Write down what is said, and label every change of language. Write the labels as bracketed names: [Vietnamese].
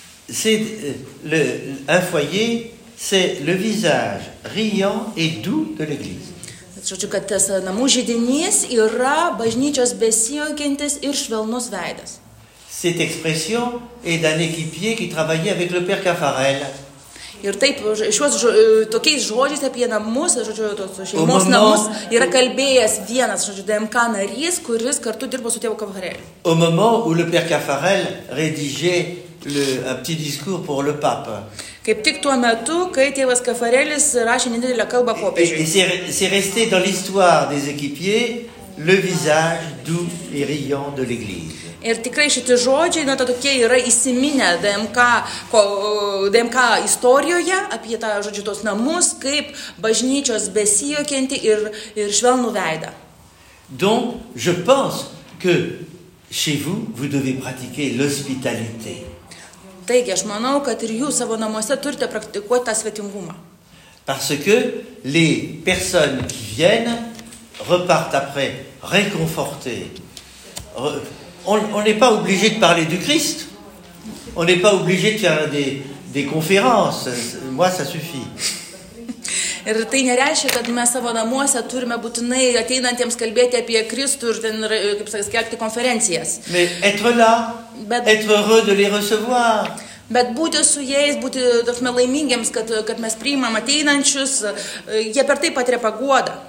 [French] C'est un foyer, c'est le visage riant et doux de l'Église. [Lithuanian] Žodžiu, kad tas namų židinys yra bažnyčios besijokiantis ir švelnus veidas. [French] Cette expression est d'un équipier qui travaillait avec le père Caffarel. [Lithuanian] Ir taip, tokiais žodžiais apie namus, žodžiu, tos šeimos namus, yra kalbėjęs vienas, žodžiu, DMK narys, kuris kartu dirbo su tėvu Caffarel. [French] Au moment où le père Caffarel rédigeait un petit discours pour le pape. [Lithuanian] Kaip tik tuo metu, kai tėvas Caffarelis rašė nedidelę kalbą popiežiui. [French] C'est resté dans l'histoire des équipiers le visage doux et riant de l'Église. [Lithuanian] Ir tikrai šitie žodžiai, na, tokie yra įsiminę DMK istorijoje apie tą, žodžiu, tos namus, kaip bažnyčios besijokianti ir švelnų veidą. [French] Donc, je pense que chez vous, vous devez pratiquer l'hospitalité. [Lithuanian] Taigi, aš manau, kad ir jūs savo namuose turite praktikuoti tą svetingumą. [French] Parce que les personnes qui viennent repartent après réconfortées. On n'est pas obligé de parler du Christ. On n'est pas obligé de faire des conférences. Moi, ça suffit. [Lithuanian] Ir tai nereiškia, kad mes savo namuose turime būtinai ateinantiems kalbėti apie Kristų ir ten, kaip sakas, kelti konferencijas. [French] Mais être là, être heureux de les recevoir. [Lithuanian] Bet būti su jais, būti tokme laimingiems, kad mes priimam ateinančius, jie per tai patiria paguodą.